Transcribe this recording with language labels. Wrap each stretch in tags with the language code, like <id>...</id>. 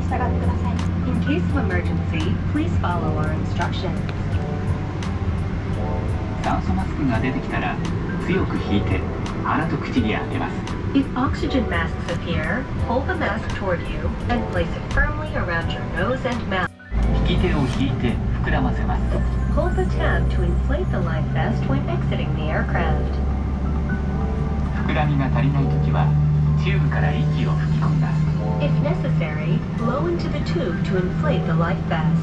<en>In case of emergency, please follow our instructions.</en> <ja>酸素マスクが出てきたら強く引いて鼻と口に当てます。</ja> <en>If oxygen masks appear, pull the mask toward you and place it firmly around your nose and mouth.</en> <ja>引き手を引いて膨らませます。</ja> <en>Hold the tab to inflate the life vest when exiting the aircraft.</en> <ja>膨らみが足りないときはチューブから息を吹き込みます。</ja> <en>If necessary, blow into the tube to inflate the life vest.</en>